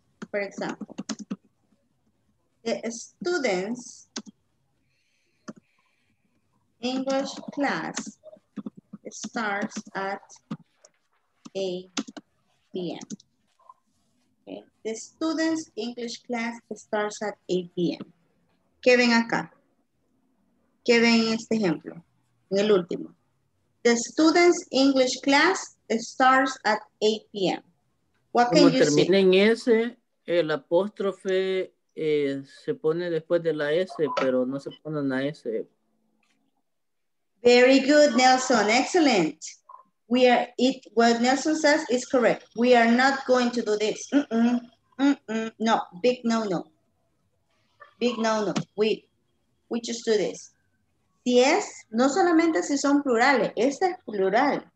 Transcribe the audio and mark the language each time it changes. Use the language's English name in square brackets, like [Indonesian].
[English] for example, the students English class starts at 8 p.m. Okay. The students English class starts at 8 p.m. [Spanish] ¿Qué ven acá? ¿Qué ven en este ejemplo? En el último. [English] The students English class starts at 8 p.m. What can you see? [Spanish] Como termina en S, el apóstrofe se pone después de la S, pero no se pone una S. [English] Very good, Nelson. Excellent. We are, it, what Nelson says is correct. We are not going to do this. No, big no, no. Big no, no. We just do this. [Spanish] Si es, no solamente si son plurales, este es plural.